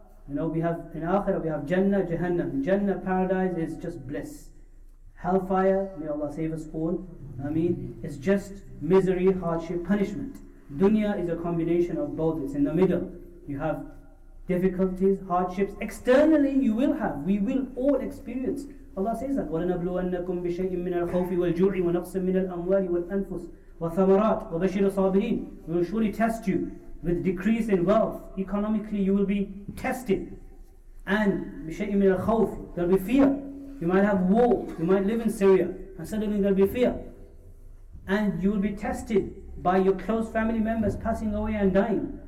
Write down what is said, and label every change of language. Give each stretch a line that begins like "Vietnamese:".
English: You know, we have, in akhirah we have Jannah, Jahannam. Jannah, paradise, is just bliss. Hellfire, may Allah save us all. I mean, it's just misery, hardship, punishment. Dunya is a combination of both. It's in the middle. You have difficulties, hardships. Externally, you will have. We will all experience. Allah says that,
Arabic: وَلَنَبْلُوَنَّكُمْ بِشَيْءٍ مِّنَ الْخَوْفِ وَالْجُوعِ وَنَقْصٍ مِّنَ الْأَمْوَالِ وَالْأَنفُسِ وثمرات وبشر الصابرين.
English: We will surely test you with decrease in wealth. Economically, you will be tested. And
Arabic: بشيء من الخوف,
English: there will be fear. You might have war. You might live in Syria. And suddenly there will be fear. And you will be tested by your close family members passing away and dying.